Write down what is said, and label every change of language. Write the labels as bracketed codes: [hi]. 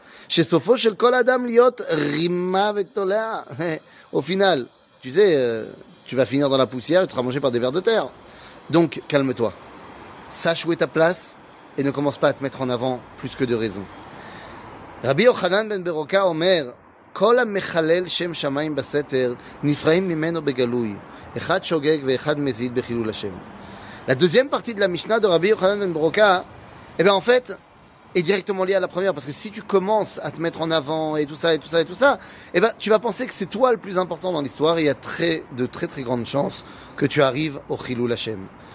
[he] שסופו של כל אדם להיות רימה ותולע. [fr] Au final, tu sais, tu vas finir dans la poussière et tu seras mangé par des vers de terre. Donc, calme-toi. Sache où est ta place et ne commence pas à te mettre en avant plus que de raison. [he] רבי יוחנן בן ברוקה אומר, כל המחלל שם שמיים בסתר נפרעים ממנו בגלוי. אחד שוגג ואחד מזיד בחילול השם. [fr] La deuxième partie de la Mishnah de Rabbi Yochanan ben Broka, eh bien en fait, est directement liée à la première. Parce que si tu commences à te mettre en avant et tout ça, et tout ça, et tout ça, eh bien tu vas penser que c'est toi le plus important dans l'histoire. Et il y a de très grandes chances que tu arrives au Chilul Hashem.